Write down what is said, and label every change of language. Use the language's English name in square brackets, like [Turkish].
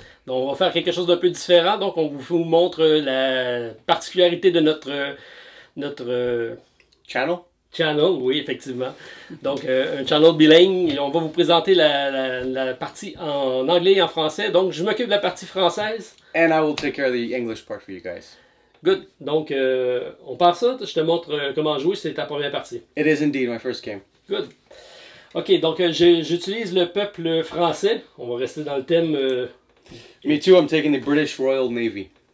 [French] Donc on va faire quelque chose d'un peu différent. Donc on vous montre la particularité de notre [English] channel. [French] Channel, oui, effectivement. Donc, un channel bilingue. Et on va vous présenter la partie en anglais et en français. Donc, je m'occupe de la partie française. [English] And I will take care of the English part for you guys. [French] Good. Donc, on part ça. Je te montre comment jouer. C'est ta première partie. [English] It is indeed my first game. Good. [French] OK, donc j'utilise le peuple français. On va rester dans le thème. [English] Me too, I'm taking the British Royal Navy.